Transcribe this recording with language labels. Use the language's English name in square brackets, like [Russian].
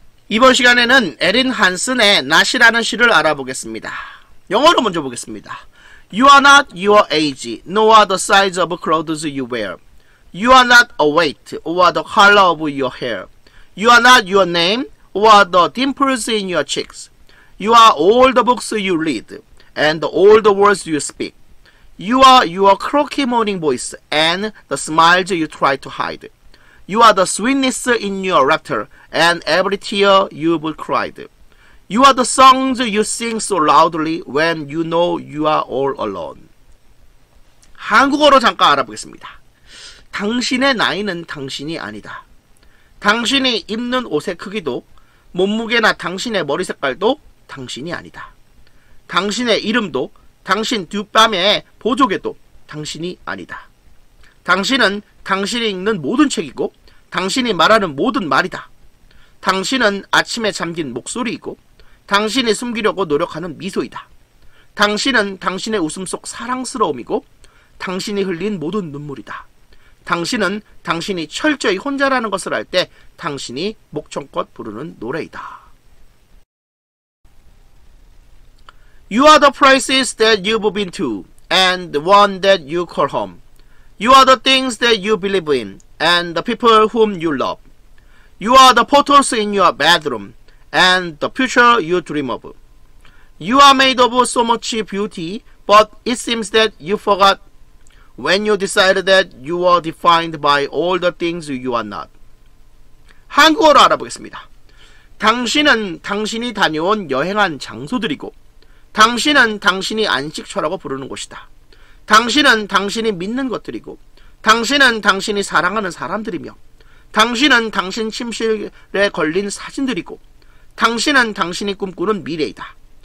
[Korean] 이번 시간에는 에린 헨슨의 낫이라는 시를 알아보겠습니다. 영어로 먼저 보겠습니다. [English] You are not your age, nor the size of clothes you wear. You are not a weight, or the color of your hair. You are not your name, or the dimples in your cheeks. You are all the books you read, and all the words you speak. You are your croaky morning voice, and the smiles you try to hide. You are the sweetness in your laughter, and every tear you've cried. You are the songs you sing so loudly when you know you are all alone. [Korean] 한국어로 잠깐 알아보겠습니다. 당신의 나이는 당신이 아니다. 당신이 입는 옷의 크기도, 몸무게나 당신의 머리 색깔도 당신이 아니다. 당신의 이름도, 당신 뒷뺨의 보조개도 당신이 아니다. 당신은 당신이 읽는 모든 책이고, 당신이 말하는 모든 말이다. 당신은 아침에 잠긴 목소리이고 당신이 숨기려고 노력하는 미소이다. 당신은 당신의 웃음 속 사랑스러움이고 당신이 흘린 모든 눈물이다. 당신은 당신이 철저히 혼자라는 것을 알 때 당신이 목청껏 부르는 노래이다. [English] You are the places that you've been to and the one that you call home. You are the things that you believe in and the people whom you love. You are the photos in your bedroom and the future you dream of. You are made of so much beauty, but it seems that you forgot when you decided that you were defined by all the things you are not. [Korean] 한국어로 알아보겠습니다. 당신은 당신이 다녀온 여행한 장소들이고, 당신은 당신이 안식처라고 부르는 곳이다. 당신은 당신이 믿는 것들이고, 당신은 당신이 사랑하는 사람들이며, 당신은 당신 침실에 걸린 사진들이고, 당신은 당신이 꿈꾸는 미래이다.